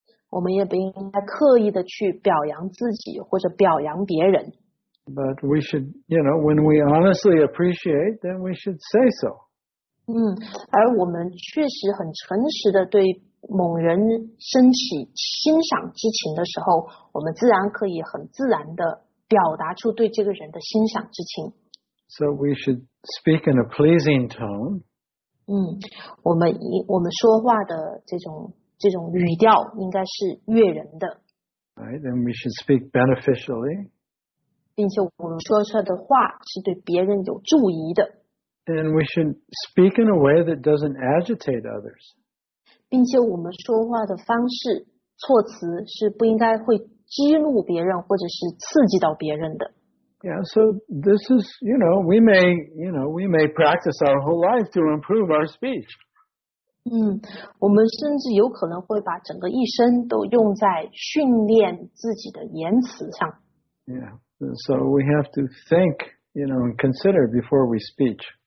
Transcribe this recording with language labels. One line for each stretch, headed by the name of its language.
Chinese: 我们也不应该刻意的去表扬自己或者表扬别人。
English: But we should, when we honestly appreciate, then we should say so.
Chinese: 而我们确实很诚实的对某人升起欣赏之情的时候，我们自然可以很自然的表达出对这个人的欣赏之情。
English: So we should speak in a pleasing tone.
Chinese: 我们说话的这种语调应该是悦人的。
English: Right, and we should speak beneficially.
Chinese: 并且我们说出来的话是对别人有助益的。
English: And we should speak in a way that doesn't agitate others.
Chinese: 并且我们说话的方式、措辞是不应该会激怒别人或者是刺激到别人的。
English: Yeah, so this is, we may practice our whole life to improve our speech.
Chinese: 我们甚至有可能会把整个一生都用在训练自己的言辞上。
English: Yeah, so we have to think, and consider before we speak.